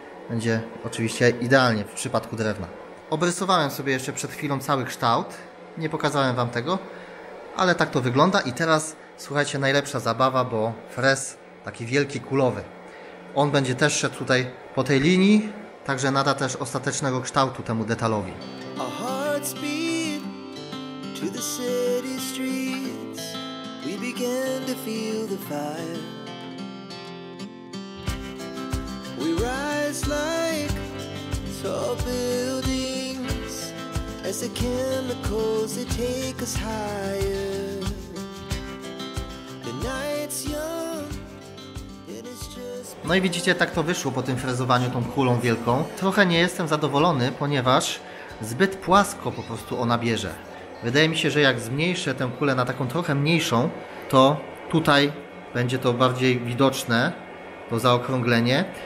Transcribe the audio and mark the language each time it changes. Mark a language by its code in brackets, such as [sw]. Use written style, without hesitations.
[pl] Będzie oczywiście idealnie w przypadku drewna. Obrysowałem sobie jeszcze przed chwilą cały kształt. Nie pokazałem Wam tego, ale tak to wygląda. I teraz, słuchajcie, najlepsza zabawa, bo frez taki wielki, kulowy. On będzie też szedł tutaj po tej linii, także nada też ostatecznego kształtu temu detalowi. [en] A heart speed to the city streets. We began to feel the fire. We rise like tall buildings as the chemicals they take us higher. The night's young, it is just... [pl] No i widzicie, tak to wyszło po tym frezowaniu tą kulą wielką. Trochę nie jestem zadowolony, ponieważ zbyt płasko po prostu ona bierze. Wydaje mi się, że jak zmniejszę tę kulę na taką trochę mniejszą, to tutaj będzie to bardziej widoczne, to zaokrąglenie.